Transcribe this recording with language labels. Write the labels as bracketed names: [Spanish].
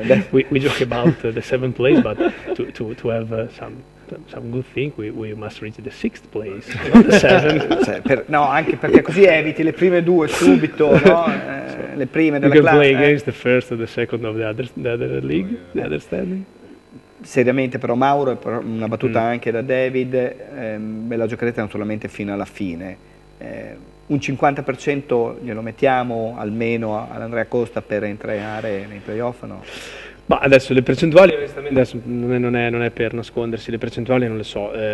[English] We joke about the seventh place, but to have some good thing, we must reach the sixth place, not the seventh. [Italian] No, anche perché così eviti le prime 2 subito, no? Le prime della classe. [English] You can play against the first or the second of the other league, the other standing. [Italian] Seriamente però, Mauro, una battuta anche da David, me la giocherete naturalmente fino alla fine. Un 50% glielo mettiamo almeno all'Andrea Costa per entrare nei playoff, no? Ma adesso le percentuali, adesso non è per nascondersi, le percentuali non le so.